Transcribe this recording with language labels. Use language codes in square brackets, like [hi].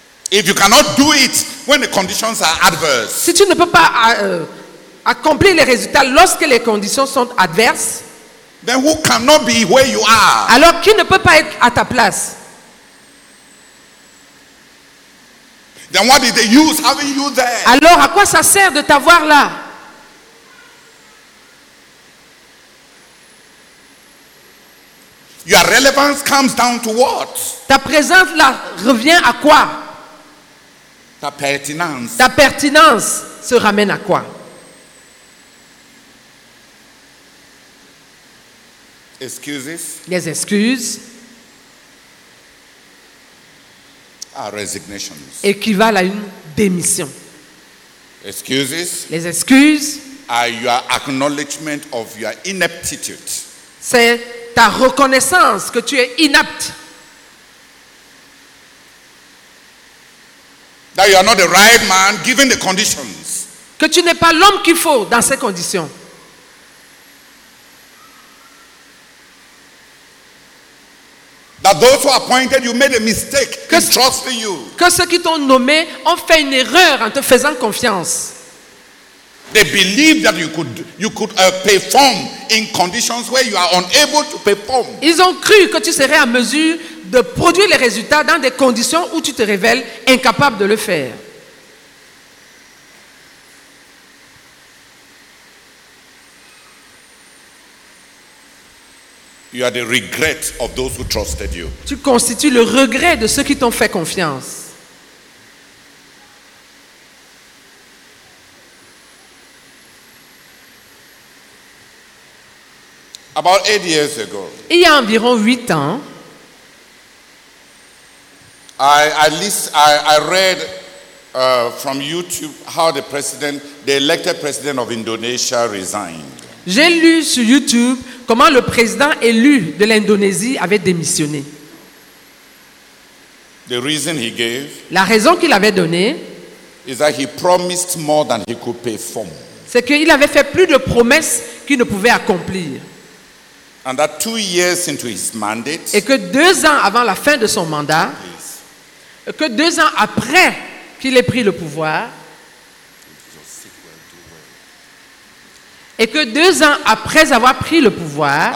[en] If you cannot do it when the conditions are adverse. [fr] Si tu ne peux pas accomplir les résultats lorsque les conditions sont adverses. [en] Then who cannot be where you are? [fr] Alors qui ne peut pas être à ta place? [en] Then what is the use having you there? [fr] Alors à quoi ça sert de t'avoir là? [en] Your relevance comes down to what? [fr] Ta présence là revient à quoi? Ta pertinence. Ta pertinence se ramène à quoi? [en] Excuses. [fr] Les excuses. [en] Are resignations. [fr] Équivalent à une démission. [en] Excuses. [fr] Les excuses. [en] Are your acknowledgement of your ineptitude. [fr] C'est ta reconnaissance que tu es inapte. [en] That you are not the right man given the conditions. [fr] Que tu n'es pas l'homme qu'il faut dans ces conditions. [en] That those who appointed you made a mistake in trusting you. [fr] Que ceux qui t'ont nommé ont fait une erreur en te faisant confiance. [en] They believe that you could perform in conditions where you are unable to perform. [fr] Ils ont cru que tu serais à mesure de produire les résultats dans des conditions où tu te révèles incapable de le faire. [en] You are the regret of those who trusted you. [fr] Tu constitues le regret de ceux qui t'ont fait confiance. [en] About 8 years ago, [fr] il y a environ 8 ans, [en] I read from YouTube how the elected president of Indonesia resigned. [fr] J'ai lu sur YouTube comment le président élu de l'Indonésie avait démissionné. [en] The reason he gave, [fr] la raison qu'il avait donnée, [en] is that he promised more than he could perform. [fr] C'est qu'il avait fait plus de promesses qu'il ne pouvait accomplir. [en] And that 2 years into his mandate, [fr] et que 2 ans avant la fin de son mandat, et que 2 ans après qu'il ait pris le pouvoir, et que 2 ans après avoir pris le pouvoir,